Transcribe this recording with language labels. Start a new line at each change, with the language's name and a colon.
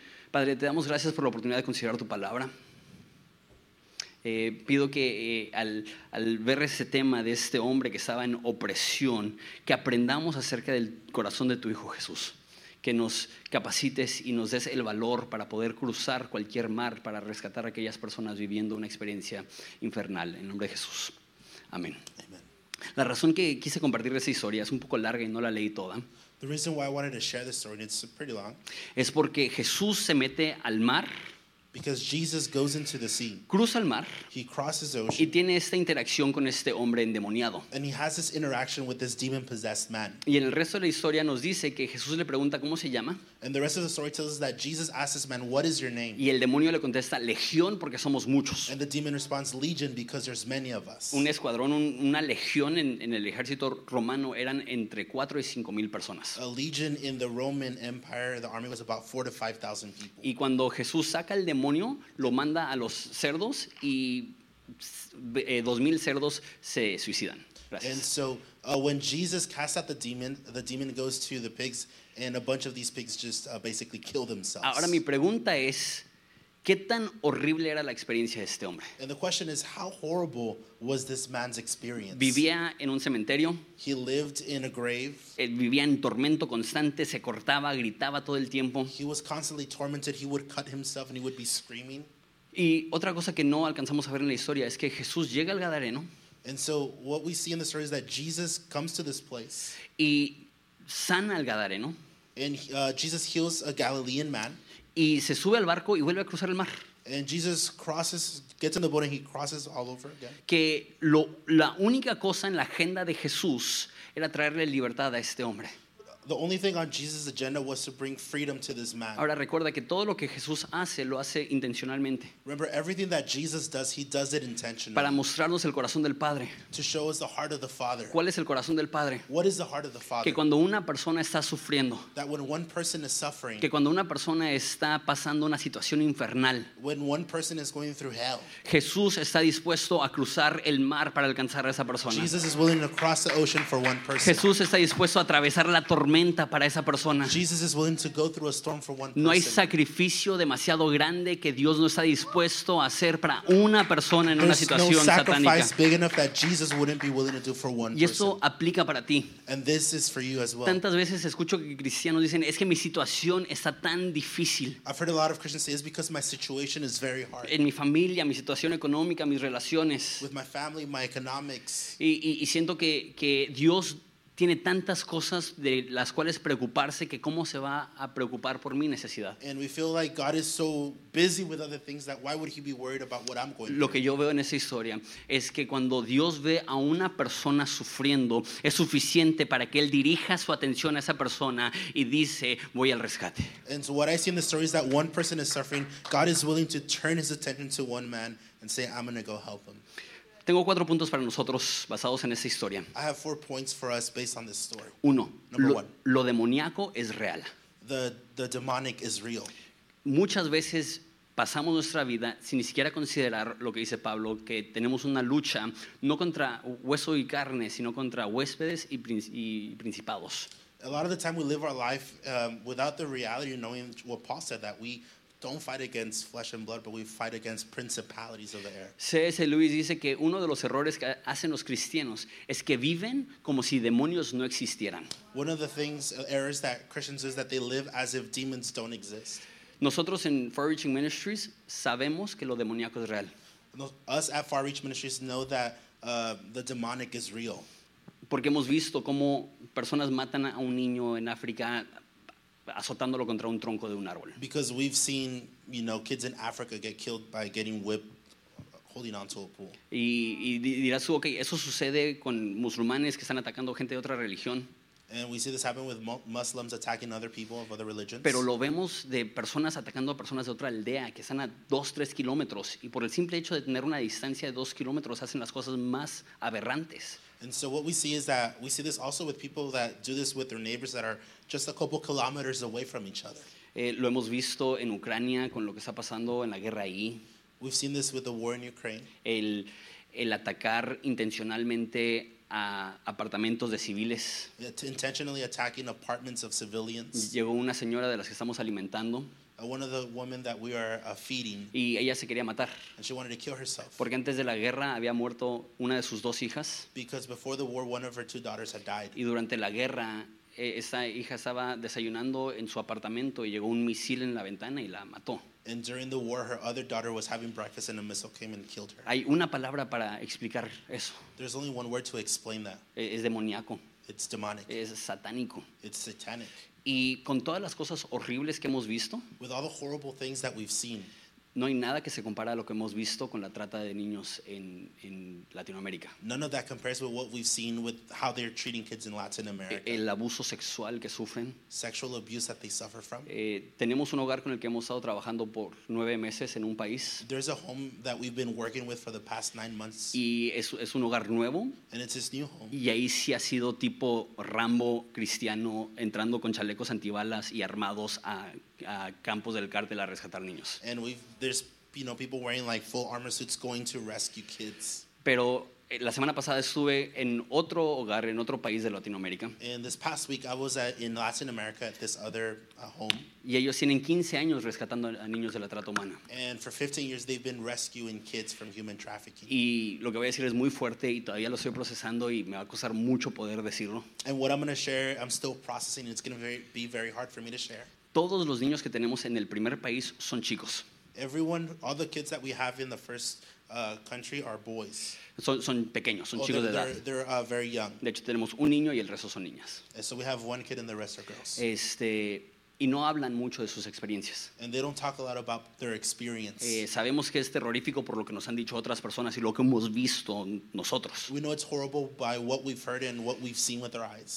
Spanish: Padre, te damos gracias por la oportunidad de considerar tu palabra. Pido que al ver ese tema de este hombre que estaba en opresión, que aprendamos acerca del corazón de tu Hijo Jesús. Que nos capacites y nos des el valor para poder cruzar cualquier mar para rescatar a aquellas personas viviendo una experiencia infernal. En nombre de Jesús. Amén.
English: Amen.
Spanish: La razón que quise compartir esa historia es un poco larga y no la leí toda.
English: The reason why I wanted to share this story, and it's pretty long.
Spanish: Es porque Jesús se mete al mar.
English: Because Jesus goes into the sea.
Spanish: Cruza el mar.
English: He crosses the ocean.
Spanish: Y tiene esta interacción con este hombre endemoniado.
English: And he has this interaction with this demon-possessed man.
Spanish: Y en el resto de la historia nos dice que Jesús le pregunta cómo se llama.
English: And the rest of the story tells us that Jesus asks this man, what is your name?
Spanish: Y el demonio le contesta, legión, porque somos muchos.
English: And the demon responds, legion, because there's many of us.
Spanish: Un escuadrón, una legión en el ejército romano eran entre 4 y 5 mil personas.
English: A legion in the Roman Empire, the army was about 4 to 5,000 people.
Spanish: Y cuando Jesús saca el demonio, lo manda a los cerdos y 2,000 cerdos se suicidan. Gracias.
English: And so when Jesus casts out the demon goes to the pigs, and a bunch of these pigs just basically kill themselves.
Spanish: Ahora mi pregunta es, ¿qué tan horrible era la experiencia de este hombre?
English: And the question is, how horrible was this man's experience?
Spanish: Vivía en un cementerio.
English: He lived in a grave.
Spanish: Vivía en tormento constante, se cortaba, gritaba todo el tiempo.
English: He was constantly tormented, he would cut himself and he would be screaming.
Spanish: Y otra cosa que no alcanzamos a ver en la historia es que Jesús llega al gadareno.
English: And so what we see in the story is that Jesus comes to this place.
Spanish: Y sana al gadareno.
English: And Jesus heals a Galilean man.
Spanish: Y se sube al barco y vuelve a cruzar el mar.
English: And Jesus crosses, gets in the boat and he crosses all over again.
Spanish: Que la única cosa en la agenda de Jesús era traerle libertad a este hombre.
English: The only thing on Jesus' agenda was to bring freedom to this man.
Spanish: Ahora recuerda que todo lo que Jesús hace, lo hace intencionalmente.
English: Remember, everything that Jesus does, he does it intentionally.
Spanish: Para mostrarnos el corazón del Padre.
English: To show us the heart of the Father.
Spanish: ¿Cuál es el corazón del Padre?
English: What is the heart of the Father?
Spanish: Que cuando una persona está sufriendo.
English: That when one person is suffering.
Spanish: Que cuando una persona está pasando una situación infernal.
English: When one person is going through hell.
Spanish: Jesús está dispuesto a cruzar el mar para alcanzar a esa persona.
English: Jesus is willing to cross the ocean for one person.
Spanish: Jesús está dispuesto a atravesar la tormenta tormenta para esa persona.
English: Jesus is willing to go through a storm for one person.
Spanish: No hay sacrificio demasiado grande que Dios no está dispuesto a hacer para una persona en una situación satánica.
English: There's no sacrifice big enough that Jesus wouldn't be willing to do for one person.
Spanish: Y eso aplica para ti.
English: And this is for you as well.
Spanish: Tantas veces escucho que cristianos dicen, es que mi situación está tan difícil.
English: I've heard a lot of Christians say, it's because my situation is very hard.
Spanish: En mi familia, mi situación económica, mis relaciones.
English: With my family, my economics.
Spanish: Y siento que Dios tiene tantas cosas de las cuales preocuparse que cómo se va a preocupar por mi necesidad.
English: And we feel like God is so busy with other things that why would he be worried about what I'm going through?
Spanish: Lo que yo veo en esa historia es que cuando Dios ve a una persona sufriendo, es suficiente para que él dirija su atención a esa persona y dice, voy al rescate.
English: And so what I see in the story is that one person is suffering, God is willing to turn his attention to one man and say, I'm going to go help him.
Spanish: Tengo cuatro puntos para nosotros basados en esta historia.
English: I have four points for us based on this story.
Spanish: Uno, lo demoníaco es real.
English: The demonic is real.
Spanish: Muchas veces pasamos nuestra vida sin ni siquiera considerar lo que dice Pablo, que tenemos una lucha no contra hueso y carne, sino contra huéspedes y principados.
English: A lot of the time we live our life without the reality of knowing what Paul said, that we don't fight against flesh and blood, but we fight against principalities of the air.
Spanish: C.S. Lewis dice que uno de los errores que hacen los cristianos es que viven como si demonios no existieran.
English: One of the things, errors that Christians do is that they live as if demons don't exist.
Spanish: Nosotros en Far Reaching Ministries sabemos que lo demoníaco es real.
English: Us at Far Reach Ministries know that the demonic is real.
Spanish: Porque hemos visto cómo personas matan a un niño en África azotándolo contra un tronco de un árbol.
English: Because we've seen, you know, kids in Africa get killed by getting whipped, holding onto a pool.
Spanish: Y dirás, okay, eso sucede con musulmanes que están atacando gente de otra religión.
English: And we see this happen with Muslims attacking other people of other religions.
Spanish: Pero lo vemos de personas atacando a personas de otra aldea que están a 2-3 kilómetros y por el simple hecho de tener una distancia de 2 kilómetros hacen las cosas más aberrantes.
English: And so what we see is that we see this also with people that do this with their neighbors that are just a couple kilometers away from each other.
Spanish: Lo hemos visto en Ucrania con lo que está pasando en la guerra ahí.
English: We've seen this with the war in Ukraine.
Spanish: El atacar intencionalmente a apartamentos de civiles.
English: Intentionally attacking apartments of civilians.
Spanish: Llegó una señora de las que estamos alimentando.
English: One of the women that we are feeding.
Spanish: Y ella se quería matar.
English: And she wanted to kill herself.
Spanish: Porque antes de la guerra había muerto una de sus dos hijas.
English: Because before the war, one of her two daughters had died.
Spanish: Y durante la guerra, esa hija estaba desayunando en su apartamento y llegó un misil en la ventana y la mató.
English: And during the war, her other daughter was having breakfast and a missile came and killed her.
Spanish: Hay una palabra para explicar eso.
English: There's only one word to explain that.
Spanish: Es demoníaco.
English: It's demonic.
Spanish: Es satánico.
English: It's satanic.
Spanish: Y con todas las cosas horribles que hemos visto,
English: with all the horrible things that we've seen,
Spanish: no hay nada que se compara a lo que hemos visto con la trata de niños en Latinoamérica.
English: None of that compares with what we've seen with how they're treating kids in Latin America.
Spanish: El abuso sexual que sufren.
English: Sexual abuse that they suffer from.
Spanish: Tenemos un hogar con el que hemos estado trabajando por 9 meses en un país.
English: There's a home that we've been working with for the past 9 months.
Spanish: Y es un hogar nuevo.
English: And it's this new home.
Spanish: Y ahí sí ha sido tipo Rambo cristiano entrando con chalecos antibalas y armados a campos del cártel a rescatar niños.
English: And there's, you know, people wearing like full armor suits going to rescue kids.
Spanish: Pero la semana pasada estuve en otro hogar en otro país de Latinoamérica.
English: And this past week I was in Latin America at this other home.
Spanish: Y ellos tienen 15 años rescatando a niños de la trata humana.
English: And for 15 years they've been rescuing kids from human trafficking.
Spanish: Y lo que voy a decir es muy fuerte y todavía lo estoy procesando y me va a costar mucho poder decirlo.
English: And what I'm going to share, I'm still processing, and it's going to be very hard for me to share.
Spanish: Todos los niños que tenemos en el primer país son chicos.
English: Everyone, all the kids that we have in the first country are boys.
Spanish: Son pequeños, son chicos de edad.
English: They're very young.
Spanish: De hecho, tenemos un niño y el resto son niñas.
English: So we have one kid and the rest are girls.
Spanish: Y no hablan mucho de sus experiencias.
English: And they don't talk a lot about their experience.
Spanish: Sabemos que es terrorífico por lo que nos han dicho otras personas y lo que hemos visto nosotros.
English: We know it's horrible by what we've heard and what we've seen with our eyes.